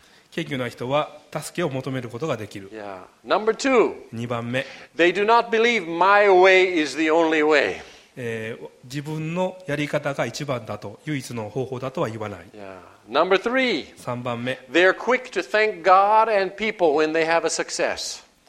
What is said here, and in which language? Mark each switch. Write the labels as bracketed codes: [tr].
[ja] 謙虚な人は助けを求めることができる。 [en] Yeah. Number two, [ja] 2番目。 [en] They do not believe my way is the only way. [ja] 自分のやり方が一番だと、唯一の方法だとは言わない。 [en] Yeah. Number three, [ja] 3番目。 [en] They are quick to thank God and people when they have a success.